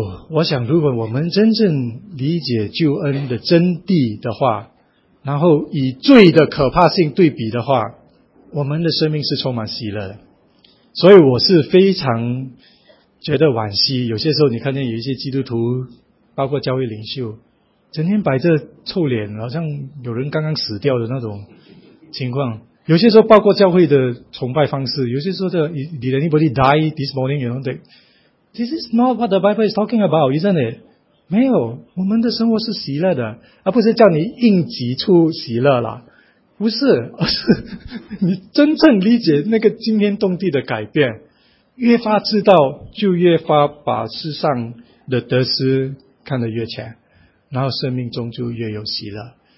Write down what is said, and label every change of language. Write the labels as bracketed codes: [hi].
[zh] 我想如果我们真正理解救恩的真谛的话，然后以罪的可怕性对比的话，我们的生命是充满喜乐的。所以我是非常觉得惋惜，有些时候你看见有一些基督徒，包括教会领袖，整天摆着臭脸，好像有人刚刚死掉的那种情况。有些时候包括教会的崇拜方式，有些时候的 Did anybody die this morning? [en] You know, they, This is not what the Bible is talking about, isn't it? [zh] 没有，我们的生活是喜乐的，而不是叫你应急出喜乐啦。不是，而是你真正理解那个惊天动地的改变，越发知道就越发把世上的得失看得越浅，然后生命中就越有喜乐。